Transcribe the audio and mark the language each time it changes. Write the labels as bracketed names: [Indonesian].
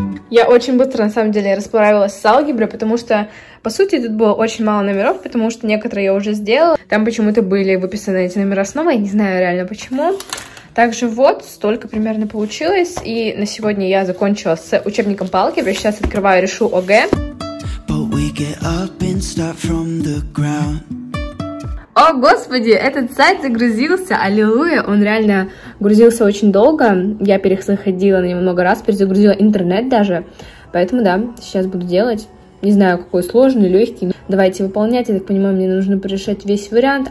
[Russian] Я очень быстро, на самом деле, расправилась с алгеброй, потому что, по сути, тут было очень мало номеров, потому что некоторые я уже сделала. Там почему-то были выписаны эти номера снова, я не знаю реально почему. Также вот, столько примерно получилось, и на сегодня я закончила с учебником по алгебре, сейчас открываю решу ОГЭ. [English] But we get up and start from the ground. [Russian] О, господи, этот сайт загрузился, аллилуйя, он реально грузился очень долго, я переходила на него много раз, перезагрузила интернет даже, поэтому да, сейчас буду делать. Не знаю, какой сложный, легкий. Давайте выполнять. Я так понимаю, мне нужно порешать весь вариант.